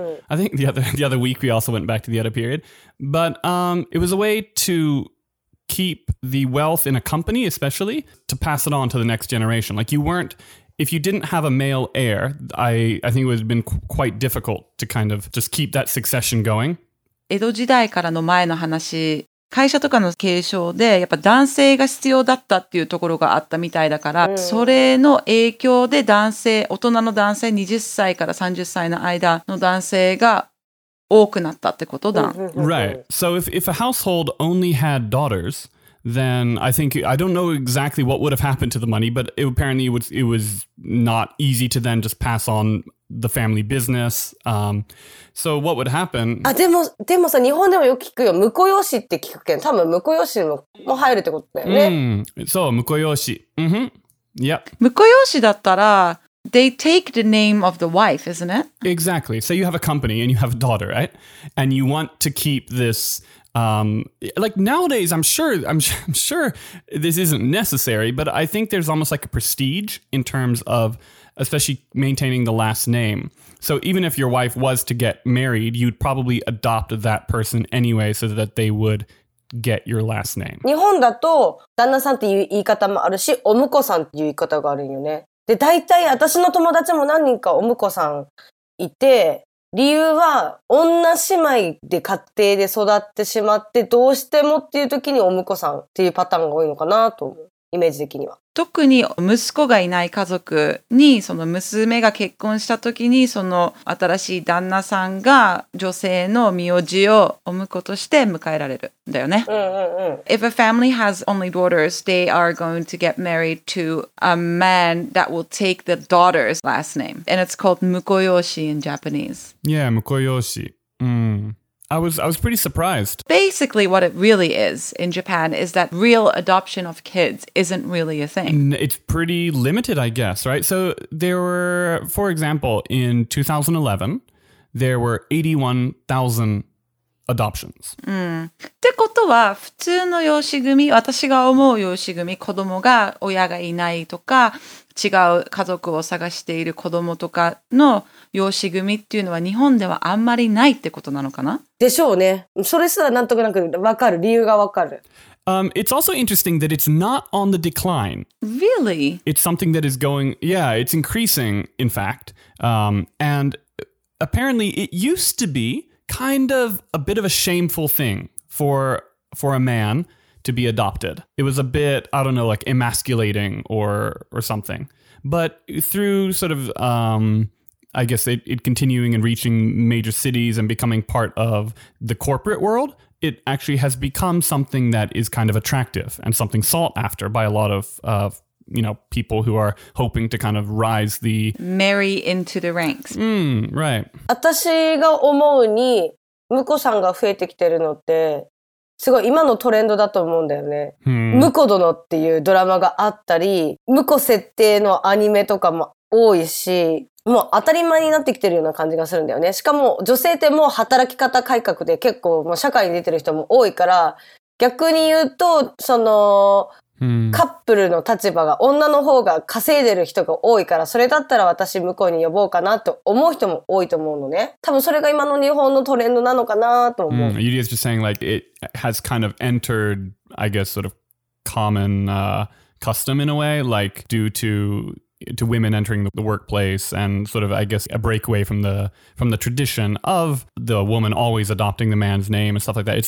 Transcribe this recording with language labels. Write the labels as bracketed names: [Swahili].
[English] I think the other week we also went back to the Edo period. But it was a way to keep the wealth in a company, especially to pass it on to the next generation. Like you weren't, if you didn't have a male heir, I think it would have been quite difficult to kind of just keep that succession going. [Japanese] 江戸時代からの前の話、会社とかの継承でやっぱ男性が必要だったっていうところがあったみたいだから、それの影響で男性、大人の男性、20歳から30歳の間の男性が多くなったってことだ。 [English] Right. So if a household only had daughters, then I think, I don't know exactly what would have happened to the money, but it was not easy to then just pass on the family business. So what would happen? [Japanese] あ、でもさ、日本でもよく聞くよ。婿養子って聞くけん。多分婿養子も入るってことだよね。そう、婿養子。 [English] Mm-hmm. Yep. [Japanese] 婿養子だったら、 [English] They take the name of the wife, isn't it? Exactly. So you have a company and you have a daughter, right? And you want to keep this... like nowadays, I'm sure this isn't necessary, but I think there's almost like a prestige in terms of especially maintaining the last name. So even if your wife was to get married, you'd probably adopt that person anyway so that they would... Get your last name. [Japanese] 日本だと旦那さんっていう言い方もあるし、お婿さんっていう言い方があるよね。で、大体私の友達も何人かお婿さんいて、理由は女姉妹で家庭で育ってしまって、どうしてもっていう時にお婿さんっていうパターンが多いのかなと思う。イメージ的には。特に息子がいない家族に、その娘が結婚した時に、その新しい旦那さんが女性の名字をお婿として迎えられるんだよね。 [English] If a family has only daughters, they are going to get married to a man that will take the daughter's last name. And it's called 婿養子 in Japanese. Yeah, 婿養子。I was pretty surprised. Basically, what it really is in Japan is that real adoption of kids isn't really a thing. It's pretty limited, I guess, right? So there were, for example, in 2011, there were 81,000 adoptions. [Japanese] ってことは、普通の養子組、私が思う養子組、子供が親がいないとか、違う家族を探している子供とかの養子組っていうのは日本ではあんまりないってことなのかな？でしょうね。それすらなんとなくわかる。理由がわかる。 [English] It's also interesting that it's not on the decline. Really? It's something that is going, yeah, it's increasing, in fact. And apparently it used to be kind of a bit of a shameful thing for a man to be adopted. It was a bit, I don't know, like emasculating or something. But through sort of, I guess it continuing and reaching major cities and becoming part of the corporate world, it actually has become something that is kind of attractive and something sought after by a lot of, you know, people who are hoping to kind of rise the... Marry into the ranks. Right. [Japanese] 私が思うに、婿さんが増えてきてるのって、すごい今のトレンドだと思うんだよね。婿殿っていうドラマがあったり、婿設定のアニメとかも多いし、もう当たり前になってきてるような感じがするんだよね。しかも女性ってもう働き方改革で結構もう社会に出てる人も多いから、逆に言うと、その、カップルの立場が女の方が稼いでる人が多いから、それだったら私向こうに呼ぼうかなと思う人も多いと思うのね。多分それが今の日本のトレンドなのかなと思う。 [English] Yuri is just saying like it has kind of entered, I guess, sort of common, custom in a way, like due to women entering the workplace and sort of, I guess, a breakaway from the tradition of the woman always adopting the man's name and stuff like that.